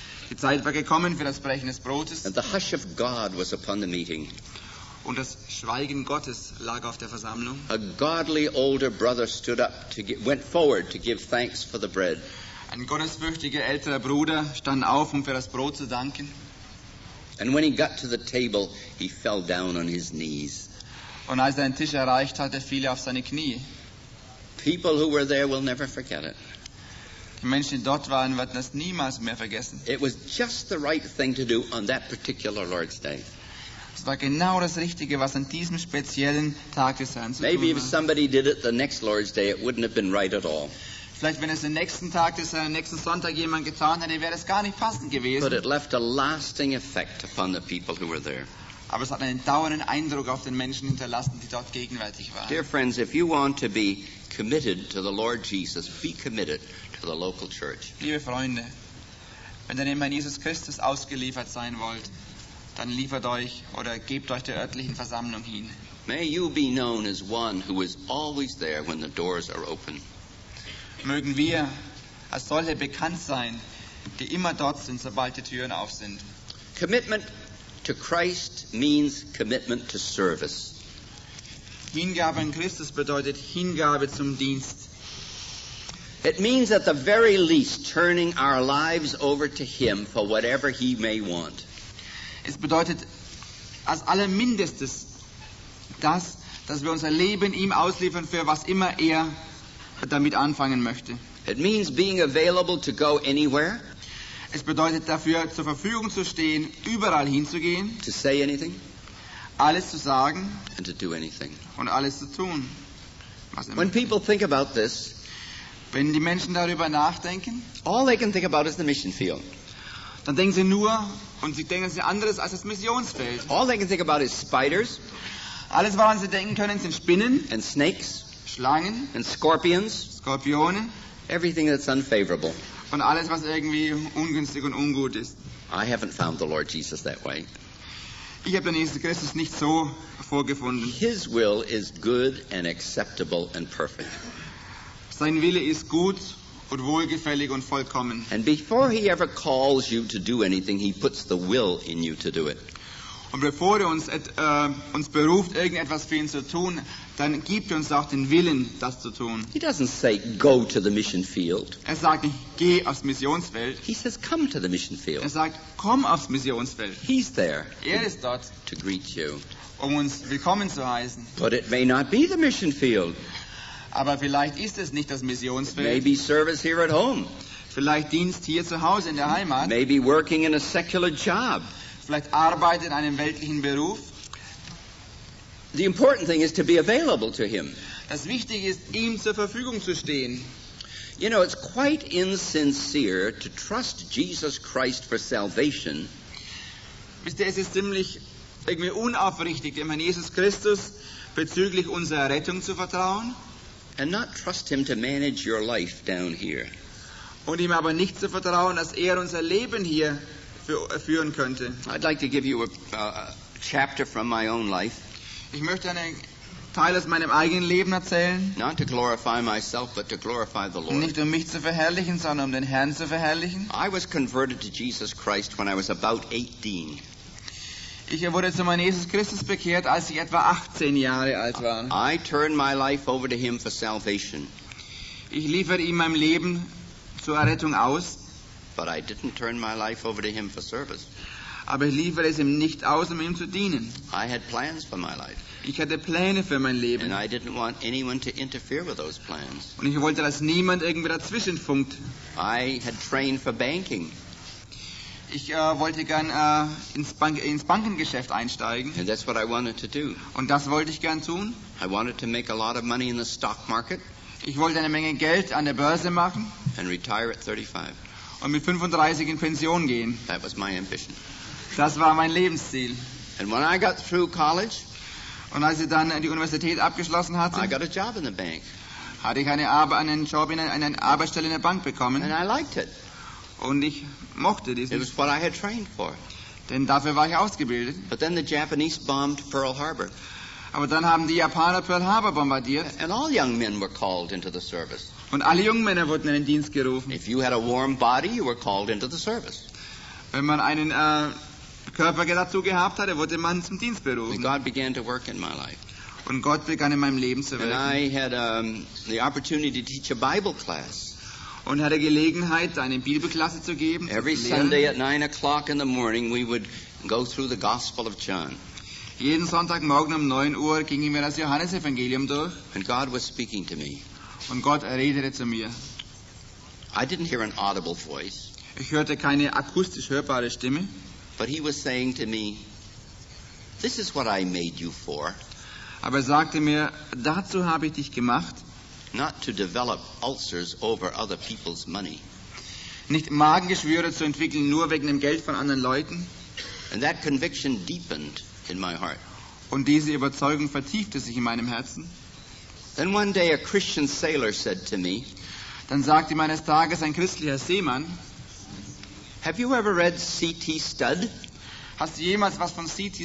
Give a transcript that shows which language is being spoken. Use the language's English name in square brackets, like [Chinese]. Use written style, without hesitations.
[German] Die Zeit war gekommen für das Brechen des Brotes. [English] And the hush of God was upon the meeting. [German] Und das Schweigen Gottes lag auf der Versammlung. [English] A godly older brother stood up to went forward to give thanks for the bread. [German] Ein gottesfürchtiger älterer Bruder stand auf, um für das Brot zu danken. [English] And when he got to the table, he fell down on his knees. [German] Und als er den Tisch erreicht hatte, fiel er auf seine Knie. [English] People who were there will never forget it. [German] Die Menschen, die dort waren, werden das niemals mehr vergessen. [English] It was just the right thing to do on that particular Lord's Day. [German] Es war genau das Richtige, was an diesem speziellen Tag des Herrn zu tun war. [English] Maybe if somebody did it the next Lord's Day, it wouldn't have been right at all. [German] Vielleicht wenn es den nächsten Tag, des nächsten Sonntag jemand getan hätte, wäre es gar nicht passend gewesen. [English] But it left a lasting effect upon the people who were there. [German] Aber es hat einen dauernden Eindruck auf den Menschen hinterlassen, die dort gegenwärtig waren. [English] Dear friends, if you want to be committed to the Lord Jesus, be committed to the local church. [German] Liebe Freunde, wenn ihr dem Herrn Jesus Christus ausgeliefert sein wollt, dann liefert euch oder gebt euch der örtlichen Versammlung hin. [English] May you be known as one who is always there when the doors are open. [German] Mögen wir als solche bekannt sein, die immer dort sind, sobald die Türen auf sind. [English] Commitment to Christ means commitment to service. [German] Hingabe an Christus bedeutet Hingabe zum Dienst. [English] It means at the very least turning our lives over to him for whatever he may want. [German] Es bedeutet als allermindestes, dass wir unser Leben ihm ausliefern für was immer er damit anfangen möchte. [English] It means being available to go anywhere. [German] Es bedeutet dafür, zur Verfügung zu stehen, überall hinzugehen. [English] To say anything. [German] Alles zu sagen. [English] And to do anything. [German] Und alles zu tun. [English] When people think about this, [German] wenn die Menschen darüber nachdenken, [English] all they can think about is the mission field. [German] Dann denken sie nur und sie denken sie anderes als das Missionsfeld. [English] All they can think about is spiders. [German] Alles woran sie denken können sind Spinnen. [English] And snakes. [German] Schlangen. [English] And scorpions. [German] Skorpione. [English] Everything that's unfavorable. [German] Und alles was irgendwie ungünstig und ungut ist. [English] I haven't found the Lord Jesus that way. [German] Ich habe den Jesus Christus nicht so vorgefunden. [English] His will is good and acceptable and perfect. [German] Sein Wille ist gut und wohlgefällig und vollkommen. [English] And before he ever calls you to do anything, he puts the will in you to do it. [German] Und bevor er uns uns beruft, irgendetwas für ihn zu tun, dann gibt er uns auch den Willen, das zu tun. [English] He doesn't say, go to the mission field. [German] Er sagt nicht, geh aufs Missionsfeld. [English] He says, come to the mission field. [German] Er sagt, komm aufs Missionsfeld. [English] He's there. [German] Er ist dort. [English] To greet you. [German] Um uns willkommen zu heißen. [English] But it may not be the mission field. [German] Aber vielleicht ist es nicht das Missionsfeld. [English] Maybe service here at home. [German] Vielleicht Dienst hier zu Hause in der Heimat. [English] Maybe working in a secular job. [German] Vielleicht arbeitet in einem weltlichen Beruf. [English] The important thing is to be available to him. [German] Das Wichtige ist, ihm zur Verfügung zu stehen. [English] You know, it's quite insincere to trust Jesus Christ for salvation. [German] Wisst ihr, es ist ziemlich irgendwie unaufrichtig, dem Herrn Jesus Christus bezüglich unserer Rettung zu vertrauen. [English] And not trust him to manage your life down here. [German] Und ihm aber nicht zu vertrauen, dass unser Leben hier führen könnte. [English] I'd like to give you a chapter from my own life. [German] Ich möchte einen Teil aus meinem eigenen Leben erzählen. [English] Not to glorify myself, but to glorify the Lord. [German] Nicht mich zu verherrlichen, sondern den Herrn zu verherrlichen. [English] I was converted to Jesus Christ when I was about 18. [German] Ich wurde zu meinem Jesus Christus bekehrt, als ich etwa 18 Jahre alt war. [English] I turned my life over to him for salvation. [German] Ich lieferte ihm mein Leben zur Errettung aus. [English] But I didn't turn my life over to him for service. [German] Aber ich lieferte es ihm nicht aus, um ihm zu dienen. [English] I had plans for my life. [German] Ich hatte Pläne für mein Leben. [English] And I didn't want anyone to interfere with those plans. [German] Und ich wollte, dass niemand irgendwie dazwischen funkt. [English] I had trained for banking. [German] Ich wollte gern ins Bankengeschäft einsteigen. [English] And that's what I wanted to do. [German] Und das wollte ich gern tun. [English] I wanted to make a lot of money in the stock market. [German] Ich wollte eine Menge Geld an der Börse machen. [English] And retire at 35. [German] Und mit 35 in Pension gehen. [English] That was my ambition. [German] Das war mein Lebensziel. [English] And when I got through college, [German] und als ich dann die Universität abgeschlossen hatte, [English] I got a job in the bank. [German] Hatte ich eine Arbeitsstelle in der Bank bekommen. [English] And I liked it. [German] Und ich mochte diesen. [English] It was what I had trained for. [German] Denn dafür war ich ausgebildet. [English] But then the Japanese bombed Pearl Harbor. [German] Aber dann haben die Japaner Pearl Harbor bombardiert. [English] And all young men were called into the service. [German] Und alle jungen Männer wurden in den Dienst gerufen. [English] If you had a warm body, you were called into the service. [German] Wenn man einen Körper dazu gehabt hatte, wurde man zum Dienst berufen. [English] And God began to work in my life. [German] Und Gott begann in meinem Leben zu wirken. [English] And I had the opportunity to teach a Bible class. [German] Und hatte Gelegenheit, eine Bibelklasse zu geben. [English] Every Sunday at 9 o'clock in the morning, we would go through the Gospel of John. [German] Jeden Sonntagmorgen um 9 Uhr gingen wir das Johannesevangelium durch. [English] And God was speaking to me. [German] Und Gott redete zu mir. [English] I didn't hear an audible voice. [German] Ich hörte keine akustisch hörbare Stimme. [English] But he was saying to me, this is what I made you for. [German] Aber er sagte mir, dazu habe ich dich gemacht. [English] Not to develop ulcers over other people's money. [German] Nicht Magengeschwüre zu entwickeln, nur wegen dem Geld von anderen Leuten. [English] And that conviction deepened in my heart. [German] Und diese Überzeugung vertiefte sich in meinem Herzen. [English] Then one day a Christian sailor said to me, [German] dann sagte mir eines Tages ein christlicher Seemann, [English] have you ever read C.T. Studd? [German] Hast du jemals was von C.T.